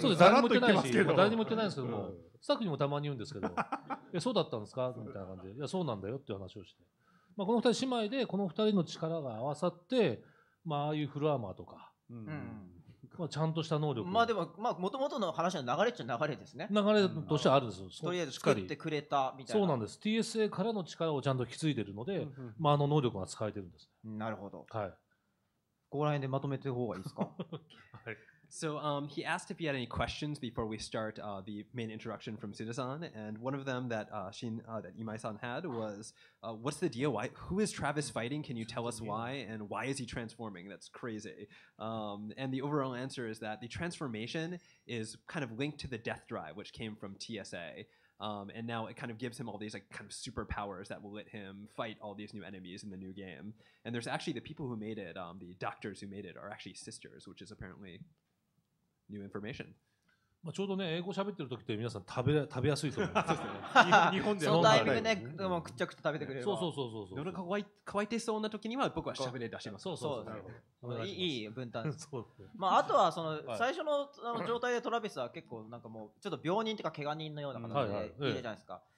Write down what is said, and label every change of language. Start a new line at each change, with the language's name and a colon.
Japanese: そうです、誰にも言ってないし、誰にも言ってないんですけども、うん、スタッフにもたまに言うんですけど、え、そうだったんですかみたいな感じで、いや、そうなんだよっていう話をして、まあ、この2人姉妹で、この2人の力が合わさって、まあ、ああいうフルアーマーとか、うんまあ、ちゃんとした能力。まあでも、まあ、元々の話は流れっちゃ流れですね。流れとしてはあるんですよ。とりあえず作ってくれたみたいな。そうなんです。 TSA からの力をちゃんと引き継いでるので、まあ、あの能力が使えてるんです。なるほど。はい。ここら辺でまとめてる方がいいですか。
English: So, he asked if he had any questions before we start the main introduction from Suda-san, and one of them that that Imai-san had was, what's the deal? Why? Who is Travis fighting? Can you tell us why? And why is he transforming? That's crazy. And the overall answer is that the transformation is kind of linked to the death drive, which came from TSA. And now it kind of gives him all these like kind of superpowers that will let him fight all these new enemies in the new game. And there's actually the people who made it, the doctors who made it, are actually sisters, which is apparently new information.
Japanese: まあ、ちょうどね英語喋ってる時って皆さん食べやすいと思います。日本で飲んだらね、くっちゃくちゃ食べてくれれば。そう。夜が乾いてそうな時には僕は喋り出します。そうそう。いい分担です。まああとはその最初の状態でトラビスは結構なんかもうちょっと病人っていうか怪我人のような感じでいるじゃないですか。